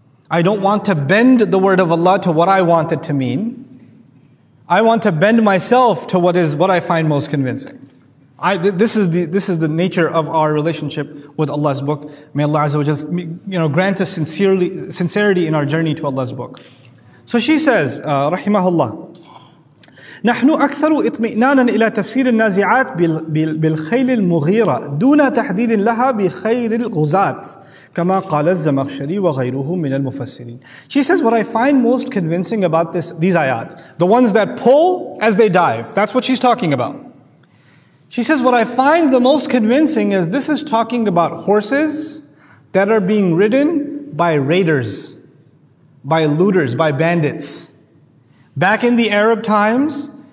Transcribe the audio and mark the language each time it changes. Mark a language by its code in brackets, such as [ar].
[en] I don't want to bend the word of Allah to what I want it to mean. I want to bend myself to what I find most convincing. This is the nature of our relationship with Allah's book. May Allah Azza wa Jal, grant us sincerity in our journey to Allah's book. So she says, rahimahullah, [ar] نحن أكثر إطمئنانا إلى تفسير النازعات بالخيل المغيرة دون تحديد لها بخيل الغزاة كما قال الزمخشري وغيره من المفسرين. [en] She says, what I find most convincing about these ayat, the ones that pull as they dive, that's what she's talking about. She says, what I find the most convincing is this is talking about horses that are being ridden by raiders, by looters, by bandits. Back in the Arab times,